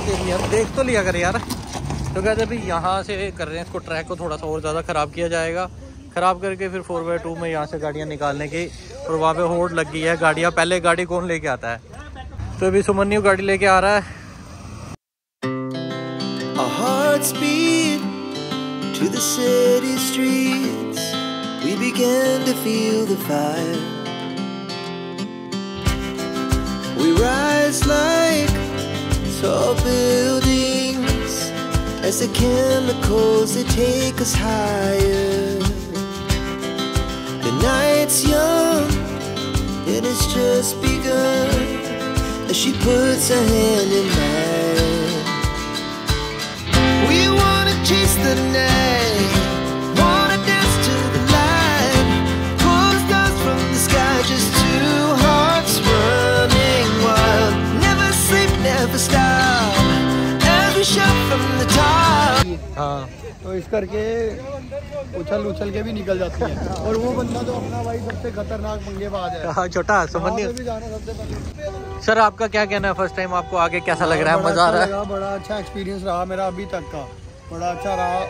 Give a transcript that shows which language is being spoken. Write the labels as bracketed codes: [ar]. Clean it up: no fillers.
[hi] यार देख तो लिया कर यार। तो कहते भाई यहाँ से कर रहे हैं इसको, ट्रैक को थोड़ा सा और ज़्यादा ख़राब किया जाएगा, ख़राब करके फिर 4x2 में यहाँ से गाड़ियाँ निकालने की, और वहाँ पे होड़ लग गई है गाड़ियाँ, पहले गाड़ी कौन लेके आता है। तो अभी सुमन्यू गाड़ी लेके आ रहा है। [en] A heart speed to the city streets, we began to feel the fire. We rise like tall buildings as the chemicals they take us higher. The night's young and it's just begun as she puts her hand in mine. We wanna chase the night, wanna dance to the light, pull the stars from the sky, just two hearts running wild. Never sleep, never stop, every shot from the top. [hi] तो इस करके उछल उछल के भी निकल जाती है, और वो बंदा तो अपना भाई सबसे खतरनाक मंगेबाज है, छोटा सुमन्यू भी जाना सबसे पहले। सर आपका क्या कहना है, फर्स्ट टाइम आपको आगे कैसा लग रहा है, मजा आ रहा है? बड़ा अच्छा एक्सपीरियंस रहा मेरा अभी तक का, बड़ा अच्छा रहा।